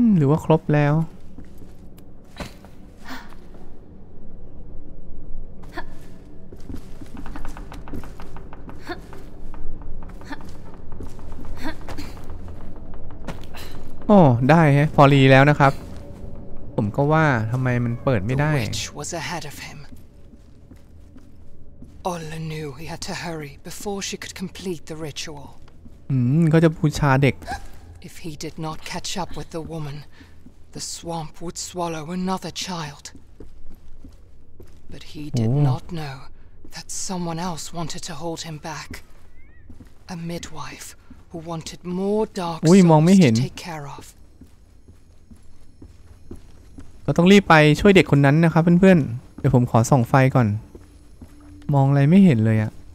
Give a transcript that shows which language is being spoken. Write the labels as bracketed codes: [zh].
[th] ว่าครบแล้วโอ้ได้ฮะพอรีแล้วนะครับผมก็ว่าทำไมมันเปิดไม่ได้ [en] The witch was ahead of him. Olle knew he had to hurry before she could complete the ritual. [th] ก็จะบูชาเด็ก [en] If he did not catch up with the womanThe swamp would swallow another child. But he did not know that someone else wanted to hold him back. A midwife who wanted more dark souls to take care of. [th] เราต้องรีบไปช่วยเด็กคนนั้นนะครับเพื่อนๆเดี๋ยวผมขอส่องไฟก่อนมองอะไรไม่เห็นเลยอะ